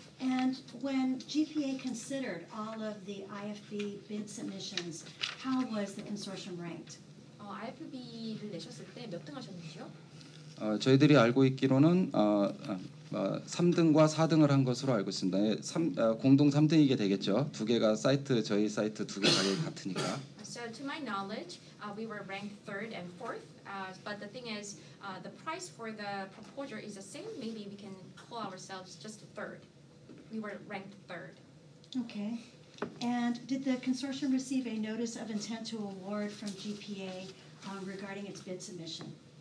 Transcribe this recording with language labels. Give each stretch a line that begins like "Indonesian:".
English: And when GPA considered all of the IFB bid submissions, how was the consortium ranked?
Korean: IFB를 내셨을 때 몇 등 하셨는지요? 저희들이 알고 있기로는 3등과 4등을 한 것으로 알고 있습니다. 공동 3등이게 되겠죠. 두 개가 사이트, 저희 사이트 두 개 가격이 같으니까.
English: So to my knowledge, we were ranked third and fourth. But the thing is, the price for the proposal is the same. Maybe we can call ourselves just third. We were ranked third. Okay. And did the consortium receive a notice of intent to award from GPA regarding its bid submission?